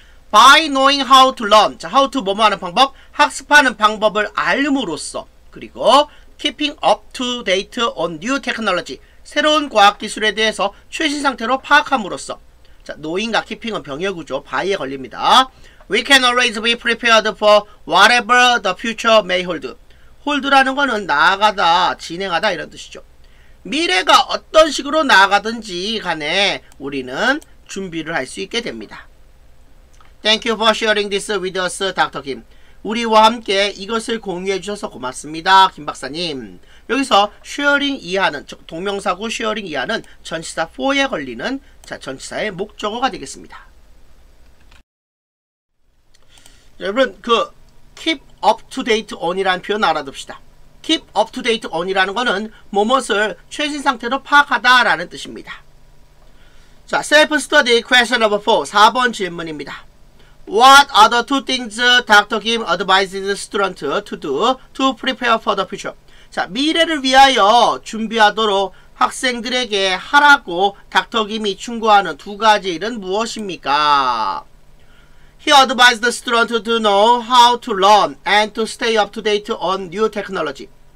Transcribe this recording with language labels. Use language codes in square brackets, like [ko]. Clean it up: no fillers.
[en] by knowing how to learn, [ko] 자, how to 뭐뭐하는 방법, 학습하는 방법을 알므로써, 그리고 [en] keeping up to date on new technology, [ko] 새로운 과학기술에 대해서 최신 상태로 파악함으로써, 자, knowing과 keeping은 병역구조, by에 걸립니다. [en] We can always be prepared for whatever the future may hold. [ko] hold라는 거는 나아가다, 진행하다 이런 뜻이죠. 미래가 어떤 식으로 나아가든지 간에 우리는 준비를 할 수 있게 됩니다. [en] Thank you for sharing this with us, Dr. Kim. [ko] 우리와 함께 이것을 공유해 주셔서 고맙습니다, 김 박사님. 여기서 sharing 이하는, 즉 동명사구 sharing 이하는 전치사 for에 걸리는 자 전치사의 목적어가 되겠습니다. 자, 여러분 그 keep up to date on이라는 표현 알아둡시다. keep up to date on이라는 것은 무엇을 최신 상태로 파악하다라는 뜻입니다. [en] 자, self study question number 4, [ko] 4번 질문입니다. [en] What are the two things Dr. Kim advises students to do to prepare for the future? [ko] 자, 미래를 위하여 준비하도록 학생들에게 하라고 닥터 김이 충고하는 두 가지 일은 무엇입니까? [en] He advised the student to know how to learn and to stay up to date on new technology.